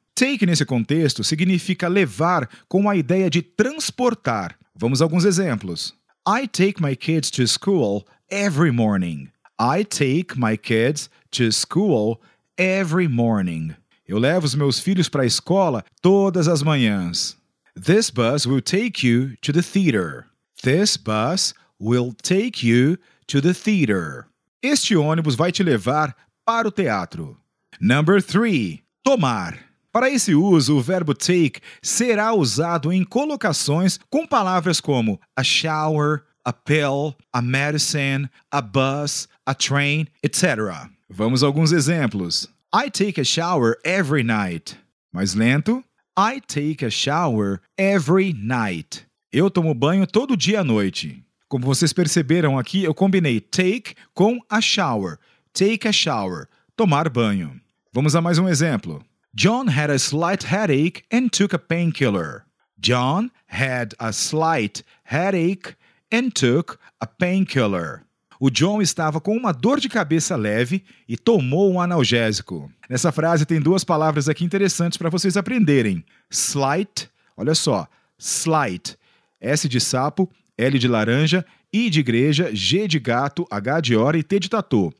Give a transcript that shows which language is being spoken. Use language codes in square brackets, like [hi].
[pt] Take nesse contexto significa levar com a ideia de transportar. Vamos a alguns exemplos. [en] I take my kids to school every morning. I take my kids to school every morning. [pt] Eu levo os meus filhos para a escola todas as manhãs. [en] This bus will take you to the theater. This bus will take you to the theater. [pt] Este ônibus vai te levar para o teatro. [en] Number three, [pt] tomar. Para esse uso, o verbo take será usado em colocações com palavras como a shower, a pill, a medicine, a bus, a train, etc. Vamos a alguns exemplos. [en] I take a shower every night. [pt] Mais lento. [en] I take a shower every night. [pt] Eu tomo banho todo dia à noite. Como vocês perceberam aqui, eu combinei take com a shower. [en] Take a shower. [pt] Tomar banho. Vamos a mais um exemplo. [en] John had a slight headache and took a painkiller. John had a slight headache and took a painkiller. [pt] O John estava com uma dor de cabeça leve e tomou um analgésico. Nessa frase tem duas palavras aqui interessantes para vocês aprenderem. Slight, olha só, slight S de sapo, L de laranja, I de igreja, G de gato, H de hora e T de tatu.